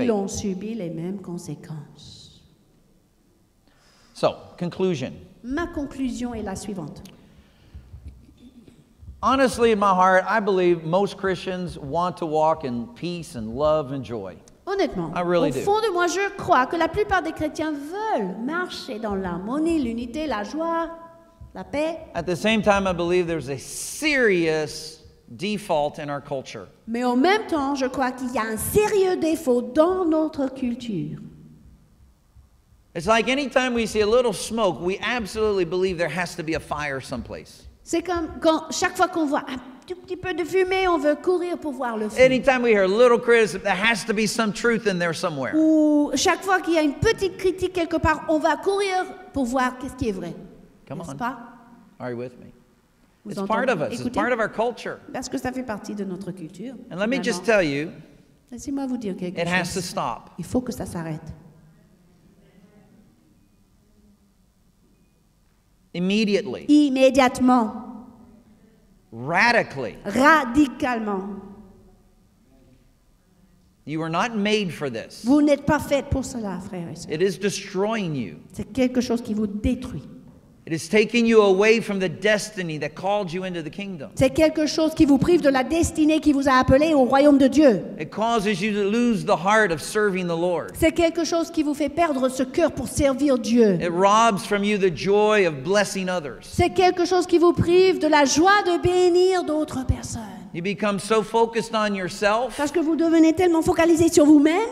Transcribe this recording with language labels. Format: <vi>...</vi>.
<fr>Ils ont subi les mêmes conséquences.</fr> <en>So, conclusion.</en> <fr>Ma conclusion est la suivante.</fr> <en>Honestly, in my heart, I believe most Christians want to walk in peace and love and joy.</en> <fr>Honnêtement,</fr> <en>I really</en> <fr>au fond de moi, je crois que la plupart des chrétiens veulent marcher dans l'harmonie, l'unité, la joie, la paix.</fr> <en>At the same time, I believe there's a serious default in our culture.</en> <fr>Mais en même temps, je crois qu'il y a un sérieux défaut dans notre culture.</fr> <en>It's like any time we see a little smoke, we absolutely believe there has to be a fire someplace.</en> <fr>C'est comme quand chaque fois qu'on voit un tout petit peu de fumée, on veut courir pour voir le feu.</fr> <en>Anytime we hear a little criticism, there has to be some truth in there somewhere.</en> <fr>Ou chaque fois qu'il y a une petite critique quelque part, on va courir pour voir qu'est-ce qui est vrai.</fr> <en>Come</en> <fr>N'est-ce</fr> <en>on.</en> <fr>Pas?</fr> <en>Are you with me?</en> <fr>Vous</fr> <en>it's part of us.</en> <fr>Écoutez,</fr> <en>it's part of our culture.</en> <fr>Parce que ça fait partie de notre culture.</fr> <en>And</en> <fr>finalement.</fr> <en>Let me just tell you,</en> <fr>laissez-moi vous dire quelque</fr> <en>it</en> <fr>chose.</fr> <en>Has to stop.</en> <fr>Il faut que ça s'arrête.</fr> <en>Immediately.</en> <fr>Immédiatement.</fr> <en>radically.</en> <fr>Radicalement.</fr> <en>You were not made for this.</en> <fr>Vous n'êtes pas fait pour cela, frère et sœur.</fr> <en>It is destroying you.</en> <fr>C'est quelque chose qui vous détruit.</fr> <en>It is taking you away from the destiny that called you into the kingdom.</en> <fr>C'est quelque chose qui vous prive de la destinée qui vous a appelé au royaume de Dieu.</fr> <en>It causes you to lose the heart of serving the Lord.</en> <fr>C'est quelque chose qui vous fait perdre ce cœur pour servir Dieu.</fr> <en>It robs from you the joy of blessing others.</en> <fr>C'est quelque chose qui vous prive de la joie de bénir d'autres personnes.</fr> <en>You become so focused on yourself.</en> <fr>Parce que vous devenez tellement focalisé sur vous-même.</fr>